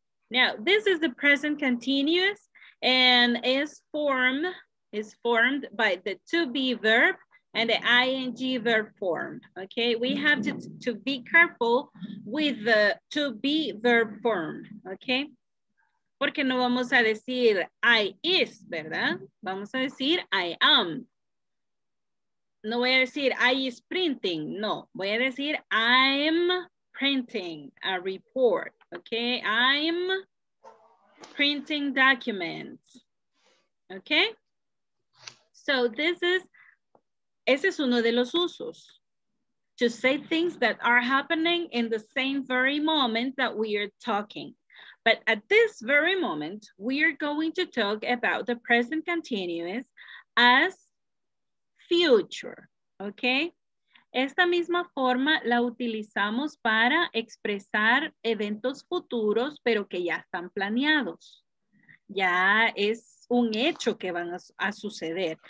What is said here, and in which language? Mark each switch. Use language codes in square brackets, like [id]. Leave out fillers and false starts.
[en] Now, this is the present continuous and is formed by the to-be verb and the ing verb form, okay? We have to be careful with the to-be verb form, okay? [es] Porque no vamos a decir [en] I is, [es] ¿verdad? Vamos a decir [en] I am. [es] No voy a decir [en] I is printing, [es] no. Voy a decir [en] I'm printing a report, okay? I'm printing documents, okay? So this is, [es] ese es uno de los usos. [en] To say things that are happening in the same very moment that we are talking. But at this very moment, we are going to talk about the present continuous as future, okay? [es] Esta misma forma la utilizamos para expresar eventos futuros, pero que ya están planeados. Ya es un hecho que van a suceder.